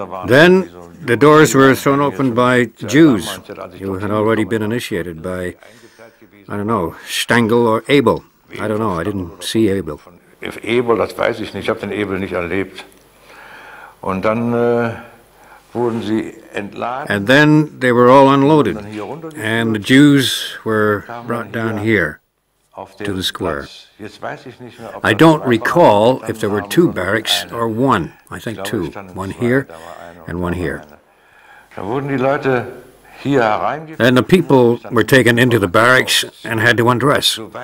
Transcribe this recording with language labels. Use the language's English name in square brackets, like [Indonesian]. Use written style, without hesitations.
[English] Then the doors were thrown open by Jews who had already been initiated by, I don't know, Stengel or Abel. I don't know, I didn't see Abel. [German] If Abel, das weiß ich nicht, ich habe den Abel nicht erlebt. Und dann wurden sie entladen. [English] And then they were all unloaded, and the Jews were brought down here to the square. I don't recall if there were two barracks or one. I think two. One here and one here. Then the people were taken into the barracks and had to undress.